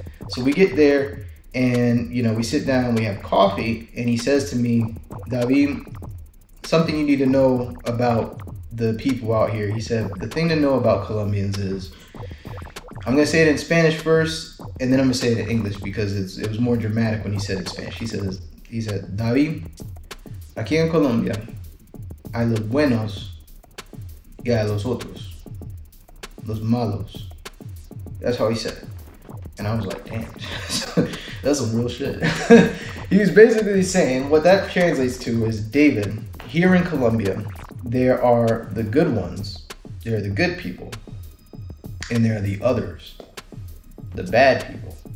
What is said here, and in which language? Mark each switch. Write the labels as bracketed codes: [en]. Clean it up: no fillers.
[en] So we get there, and you know, we sit down and we have coffee, and he says to me, David, something you need to know about the people out here. He said, the thing to know about Colombians is, I'm gonna say it in Spanish first, and then I'm gonna say it in English because it was more dramatic when he said it in Spanish. He said, David, [es] aquí en Colombia, hay los buenos y hay los otros, los malos. [en] That's how he said it. And I was like, damn, that's some real shit. He was basically saying, what that translates to is, David, here in Colombia, there are the good ones, there are the good people, and there are the others, the bad people.